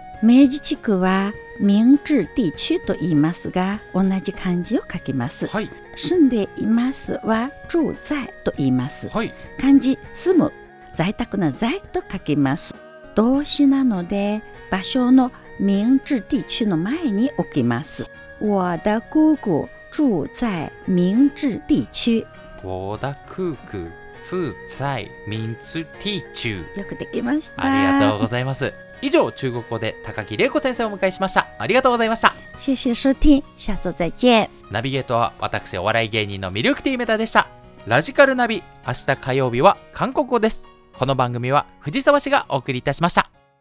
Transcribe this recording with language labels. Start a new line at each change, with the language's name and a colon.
Japanese: 明治地区は明治地区と言いますが、同じ漢字を書きます、はい、住んでいますは住在と言います、はい、漢字住む在宅の在と書きます。動詞なので場所の明治地区の前に置きます。
Chinese: 我的姑姑住在明治地区。我的姑姑住在明治地区。
Japanese: よくできました。ありがとうございます。以上、中国語で高木玲子先生をお迎えしました。ありがとうございました。
Chinese: 谢谢收听、下周再见。
Japanese: ナビゲートは私お笑い芸人のミルクティーメタでした。ラジカルナビ、明日火曜日は韓国語です。この番組は藤沢氏がお送りいたしました。